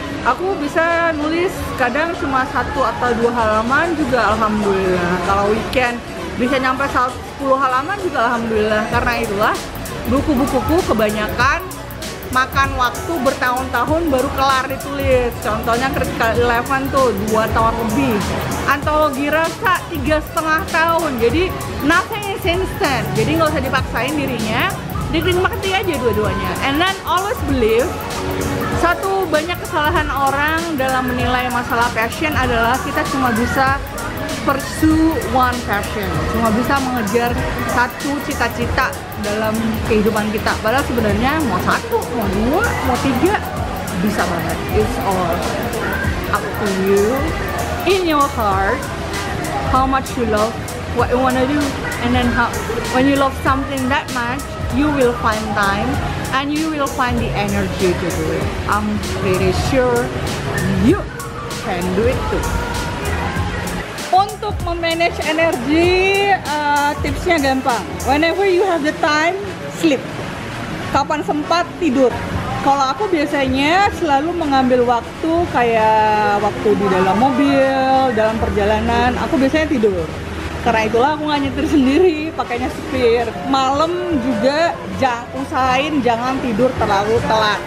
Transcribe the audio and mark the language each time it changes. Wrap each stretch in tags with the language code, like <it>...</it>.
<id>Aku bisa nulis kadang cuma satu atau dua halaman juga alhamdulillah. Kalau weekend bisa nyampe 10 halaman juga alhamdulillah. Karena itulah buku-bukuku kebanyakan makan waktu bertahun-tahun baru kelar ditulis. Contohnya Critical Eleven tuh 2 tahun lebih. Antologi Rasa 3,5 tahun. Jadi</id> <en>nothing is instant.</en> <id>Jadi gak usah dipaksain dirinya, dinikmati aja dua-duanya.</id> <en>And then always believe,</en> <id>satu banyak kesalahan orang dalam menilai masalah passion adalah kita cuma bisa</id> <en>pursue one passion,</en> <id>cuma bisa mengejar satu cita-cita dalam kehidupan kita. Padahal sebenarnya mau satu, mau dua, mau tiga, bisa banget.</id> <en>It's all up to you, in your heart, how much you love, what you wanna do, and then how, when you love something that much, you will find time and you will find the energy to do it. I'm pretty sure you can do it too.</en> <id>Untuk memanage energi, tipsnya gampang.</id> <en>Whenever you have the time, sleep.</en> <id>Kapan sempat, tidur. Kalau aku biasanya selalu mengambil waktu kayak waktu di dalam mobil, dalam perjalanan, aku biasanya tidur. Karena itulah aku gak nyetir sendiri, pakainya supir. Malam juga usahain jangan tidur terlalu telat.</id>